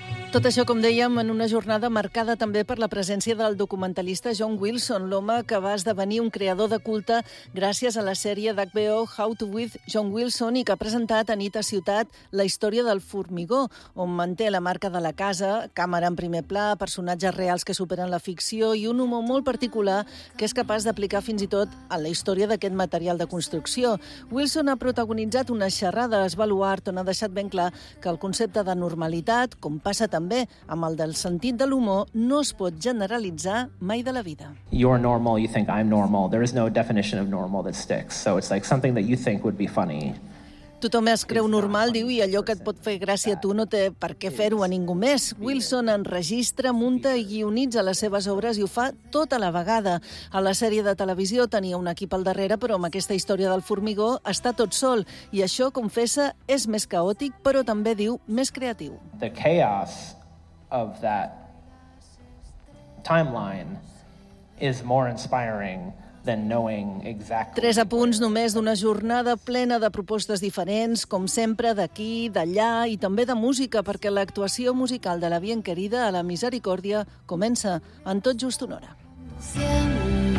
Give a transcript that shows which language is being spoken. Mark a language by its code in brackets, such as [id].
[ca] Tot això, com dèiem, en una jornada marcada també per la presència del documentalista John Wilson, l'home que va esdevenir un creador de culte gràcies a la sèrie d'HBO How to With John Wilson i que ha presentat a Nit a Ciutat la història del formigó, on manté la marca de la casa, càmera en primer pla, personatges reals que superen la ficció i un humor molt particular que és capaç d'aplicar fins i tot a la història d'aquest material de construcció. Wilson ha protagonitzat una xerrada a Esbaluart on ha deixat ben clar que el concepte de normalitat, com passa també amb el del sentit de l'humor, no es pot generalitzar mai de la vida. [en] You're normal, you think I'm normal. There is no definition of normal that sticks. So it's like something that you think would be funny. [ca] Tothom es creu normal, diu, i allò que et pot fer gràcia a tu no té per què fer-ho a ningú més. Wilson enregistra, munta i guionitza les seves obres i ho fa tota la vegada. A la sèrie de televisió tenia un equip al darrere, però amb aquesta història del formigó està tot sol. I això, confessa, és més caòtic, però també, diu, més creatiu. [en] The chaos of that timeline is more inspiring. Exactly. [ca] Tres apunts només d'una jornada plena de propostes diferents, com sempre, d'aquí, d'allà i també de música, perquè l'actuació musical de la Bienquerida a la Misericòrdia comença en tot just una hora.